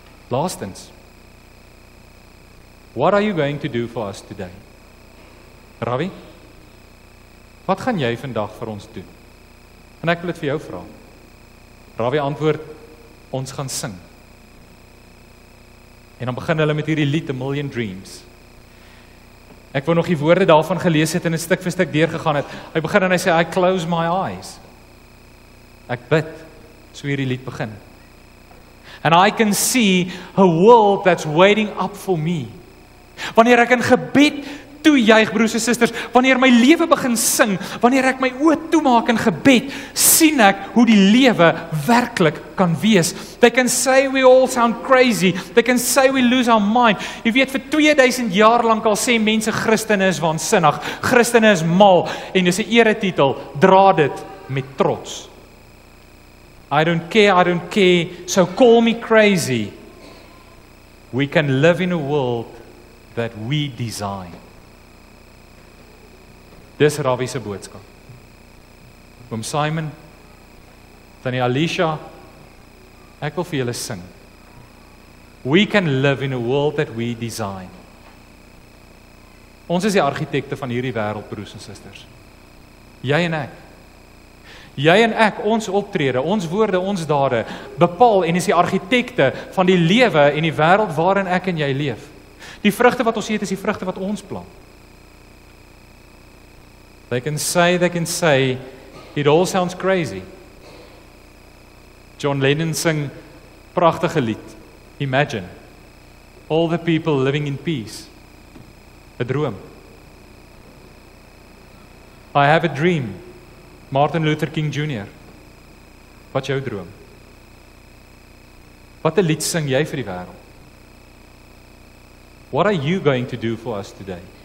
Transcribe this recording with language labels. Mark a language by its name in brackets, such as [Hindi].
[Afrikaans] Laastens, [English] what are you going to do for us today? [Afrikaans] Ravi, wat gaan jy vandag vir ons doen? En ek wil dit vir jou vraag. Ravi antwoord, ons gaan sing. En dan begin hulle met hierdie lied, A Million Dreams. Ek wou nog die woorde daarvan gelees het en het stuk vir stuk deurgegaan het. Hy begin en hy sê, [English] I close my eyes. [Afrikaans] Ek bid, so hierdie lied begin. [English] And I can see a world that's waiting up for me. [Afrikaans] Wanneer ek in gebed toejuig, broers en susters, wanneer my lewe begin sing, wanneer ek my oë toemaak in gebed, sien ek hoe die lewe werklik kan wees. [English] They can say we all sound crazy. They can say we lose our mind. [Afrikaans] Jy weet, vir 2000 jaar lank al sê mense, Christene is waansinnig, Christene is mal, en dis 'n eretitel, dra dit met trots. [English] I don't care, so call me crazy. We can live in a world that we design. [Afrikaans] Dis Ravi se boodskap. Oom Simon, Tannie Alicia, ek wil vir julle sing. [English] We can live in a world that we design. [Afrikaans] Ons is die argitekte van hierdie wêreld, broers en susters. Jy en ek. Jy en ek, ons optrede, ons woorde, ons dade, bepaal en is die argitekte van die lewe en die wêreld waarin ek en jy leef. Die vrugte wat ons eet, is die vrugte wat ons plant. [English] They can say, it all sounds crazy. [Afrikaans] John Lennon sing prachtige lied, Imagine. [English] All the people living in peace. A droom. I have a dream. Martin Luther King Jr. [Afrikaans] Wat jou droom? Wat 'n lied sing jy vir die wêreld? [English] What are you going to do for us today?